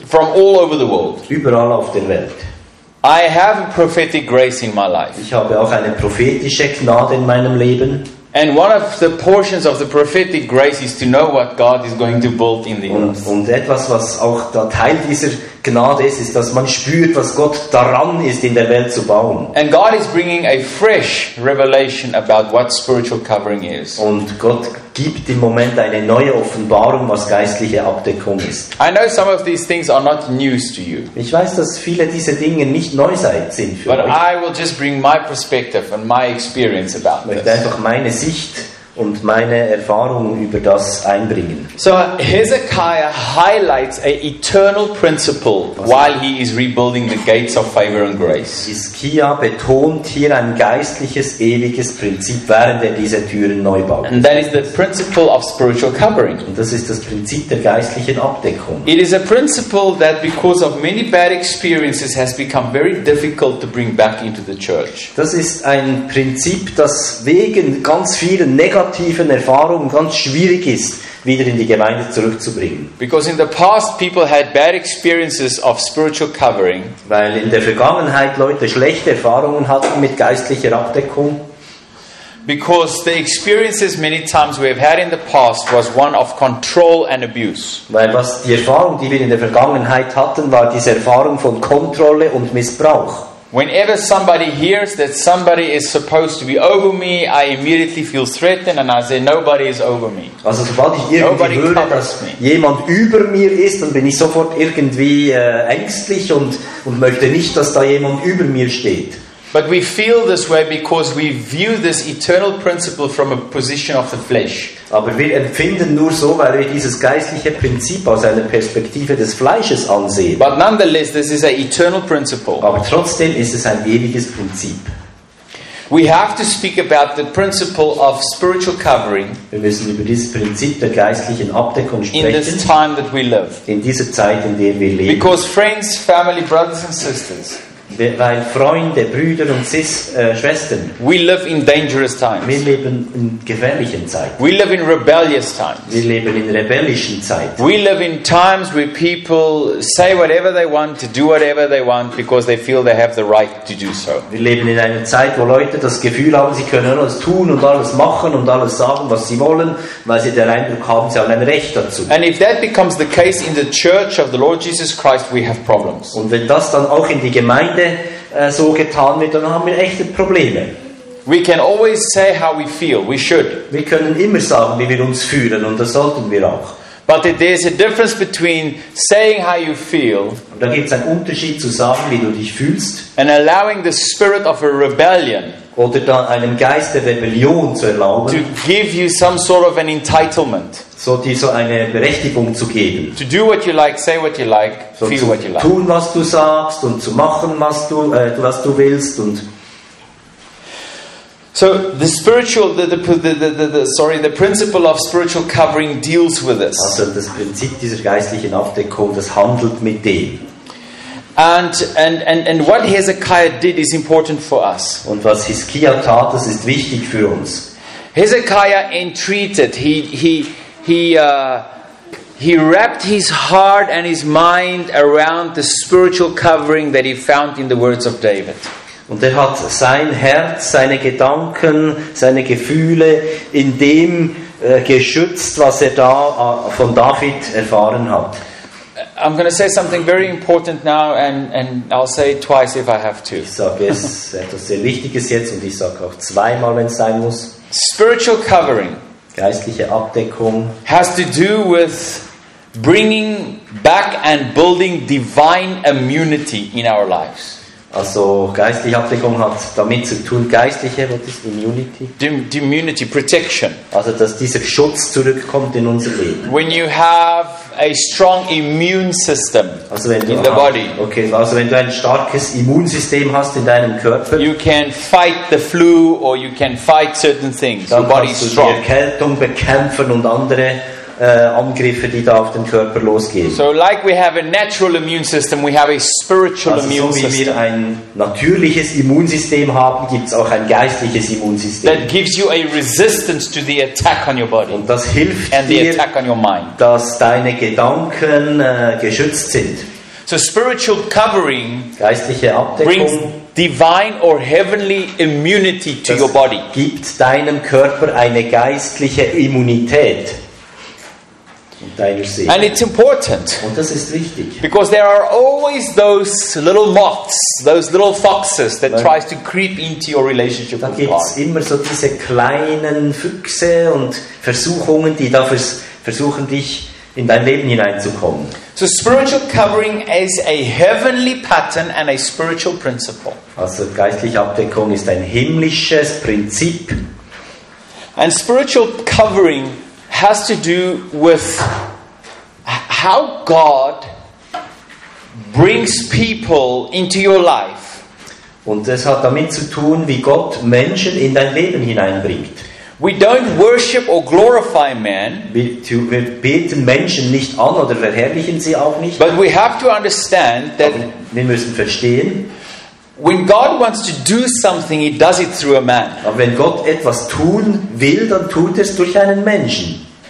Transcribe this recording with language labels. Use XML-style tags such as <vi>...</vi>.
<en>From all over the world.</en> <de>Überall auf der Welt.</de> <en>I have a prophetic grace in my life.</en> <de>Ich habe auch eine prophetische Gnade in meinem Leben.</de> <en>And one of the portions of the prophetic grace is to know what God is going to build in the earth.</en> <de>Und etwas, was auch da Teil dieser Gnade ist, dass man spürt, was Gott daran ist, in der Welt zu bauen.</de> <en>And God is bringing a fresh revelation about what spiritual covering is.</en> <de>Und Gott gibt im Moment eine neue Offenbarung, was geistliche Abdeckung ist.</de> <en>I know some of these things are not news to you.</en> <de>Ich weiß, dass viele dieser Dinge nicht neu sind für euch.</de> <en>But I will just bring my perspective and my experience about this.</en> <de>Ich möchte einfach meine Sicht und meine Erfahrungen über das einbringen.</de> <en>So Hezekiah highlights an eternal principle while he is rebuilding the gates of favor and grace.</en> <de>Hiskia betont hier ein geistliches, ewiges Prinzip, während er diese Türen neu baut.</de> <en>And that is the principle of spiritual covering.</en> <de>Und das ist das Prinzip der geistlichen Abdeckung.</de> <en>It is a principle that because of many bad experiences has become very difficult to bring back into the church.</en> <de>Das ist ein Prinzip, das wegen ganz vielen negativen Erfahrungen ganz schwierig ist, wieder in die Gemeinde zurückzubringen.</de> <en>Because in the past people had bad experiences of spiritual covering.</en> <de>Weil in der Vergangenheit Leute schlechte Erfahrungen hatten mit geistlicher Abdeckung.</de> <en>Because the experiences many times we have had in the past was one of control and abuse.</en> <de>Weil was die Erfahrung, die wir in der Vergangenheit hatten, war diese Erfahrung von Kontrolle und Missbrauch.</de> <en>Whenever somebody hears that somebody is supposed to be over me, I immediately feel threatened and I say nobody is over me.</en> <de>Also sobald ich irgendwie höre, dass jemand über mir ist, dann bin ich sofort irgendwie ängstlich und möchte nicht, dass da jemand über mir steht.</de> <en>But we feel this way because we view this eternal principle from a position of the flesh.</en> <de>Aber wir empfinden nur so, weil wir dieses geistliche Prinzip aus einer Perspektive des Fleisches ansehen.</de> <en>But nonetheless, this is an eternal principle.</en> <de>Aber trotzdem ist es ein ewiges Prinzip.</de> <en>We have to speak about the principle of spiritual covering.</en> <de>Wir müssen über dieses Prinzip der geistlichen Abdeckung sprechen.</de> <en>In this time that we live.</en> <de>In dieser Zeit, in der wir leben.</de> <en>Because friends, family, brothers and sisters.</en> <de>Weil Freunde, Brüder und Schwestern.</de> <en>We live in dangerous times.</en> <de>Wir leben in gefährlichen Zeiten.</de> <en>We live in rebellious times.</en> <de>Wir leben in rebellischen Zeiten.</de> <en>We live in times where people say whatever they want to do whatever they want because they feel they have the right to do so.</en> <de>Wir leben in einer Zeit, wo Leute das Gefühl haben, sie können alles tun und alles machen und alles sagen, was sie wollen, weil sie den Eindruck haben, sie haben ein Recht dazu.</de> <en>And if that becomes the case in the church of the Lord Jesus Christ, we have problems.</en> <de>Und wenn das dann auch in die Gemeinde so getan wird, dann haben wir echte Probleme.</de> <en>We can always say how we feel. We should.</en> <de>Wir können immer sagen, wie wir uns fühlen, und das sollten wir auch.</de> <en>But there's a difference between saying how you feel.</en> <de>Da gibt es einen Unterschied zu sagen, wie du dich fühlst.</de> <en>And allowing the spirit of a rebellion.</en> <de>Oder dann einem Geist der Rebellion zu erlauben.</de> <en>To give you some sort of an entitlement.</en> <de>So dir so eine Berechtigung zu geben.</de> <en>To do what you like, say what you like, feel what you like.</en> <de>Tun was du sagst und zu machen was du willst und.</de> <en>So the spiritual the principle of spiritual covering deals with this.</en> <de>Also das Prinzip dieser geistlichen Abdeckung, das handelt mit dem.</de> <en>And what Hezekiah did is important for us.</en> <de>Und was Hiskia tat, das ist wichtig für uns.</de> <en>Hezekiah entreated. He wrapped his heart and his mind around the spiritual covering that he found in the words of David.</en> <de>Und er hat sein Herz, seine Gedanken, seine Gefühle in dem geschützt, was er da von David erfahren hat.</de> <en>I'm going to say something very important now, and I'll say it twice if I have to.</en> <de>Ich sage es etwas sehr Wichtiges jetzt, und ich sage auch zweimal, wenn es sein muss.</de> <en>Spiritual covering,</en> <de>geistliche Abdeckung,</de> <en>has to do with bringing back and building divine immunity in our lives.</en> <de>Also geistliche Abdeckung hat damit zu tun, geistliche, was ist Immunity?</de> <en>Immunity, protection.</en> <de>Also dass dieser Schutz zurückkommt in unser Leben.</de> <en>When you have a strong immune system,</en> <de>also wenn du,</de> <en>in the body.</en> <de>Okay, also wenn du ein starkes Immunsystem hast in deinem Körper,</de> <en>you can fight the flu or you can fight certain things.</en> <de>Dann kannst du die Erkältung bekämpfen und andere Angriffe, die da auf den Körper losgehen.</de> <en>So like we have a natural immune system, we have a spiritual</en> <de>also</de> <en>immune system.</en> <de>Also so wie wir ein natürliches Immunsystem haben, gibt es auch ein geistliches Immunsystem.</de> <en>That gives you a resistance to the attack on your body.</en> <de>Und das hilft</de> <en>and</en> <de>dir,</de> <en>the attack on your mind.</en> <de>Dass deine Gedanken geschützt sind.</de> <en>So spiritual covering,</en> <de>geistliche Abdeckung,</de> <en>brings divine or heavenly immunity to your body.</en> <de>Gibt deinem Körper eine geistliche Immunität.</de> <en>And it's important.</en> <de>Und das ist wichtig.</de> <en>Because there are always those little moths, those little foxes that tries to creep into your relationship with God.</en> <de>Da gibt's immer so diese kleinen Füchse und Versuchungen, die da versuchen dich in dein Leben hineinzukommen.</de> <en>So spiritual covering is a heavenly pattern and a spiritual principle.</en> <de>Also geistliche Abdeckung ist ein himmlisches Prinzip.</de> <en>And spiritual covering has to do with how God brings people into your life.</en> <de>Und es hat damit zu tun, wie Gott Menschen in dein Leben hineinbringt.</de> <en>We don't worship or glorify man.</en> <de>Wir beten Menschen nicht an oder verherrlichen sie auch nicht.</de> <en>But we have to understand that.</en> <de>Wir müssen verstehen.</de> <en>When God wants to do something, he does it through a man.</en> <de>Aber wenn Gott etwas tun will, dann tut es durch einen Menschen.</de>